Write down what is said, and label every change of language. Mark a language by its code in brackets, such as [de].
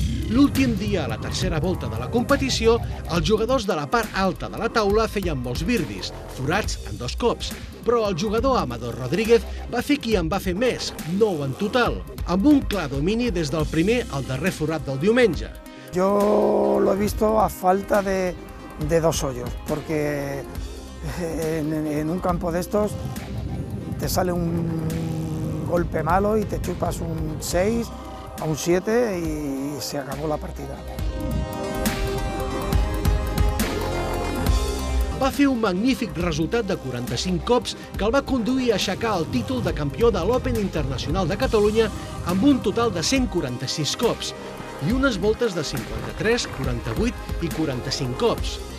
[ca] L'últim dia, a la tercera volta de la competició, els jugadors de la part alta de la taula feien molts birdies, forats en 2 cops, però el jugador Amador Rodríguez va fer qui en va fer més, 9 en total, amb un clar domini des del primer al darrer forat del diumenge. [es] Yo lo he visto a falta de 2 hoyos, porque en un campo de estos te sale un golpe malo y te chupas un 6, a un 7 y se acabó la partida. [ca] Va fer un magnífic resultat de 45 cops que el va conduir a aixecar el títol de campió de l'Open Internacional de Catalunya amb un total de 146 cops i unes voltes de 53, 48 i 45 cops.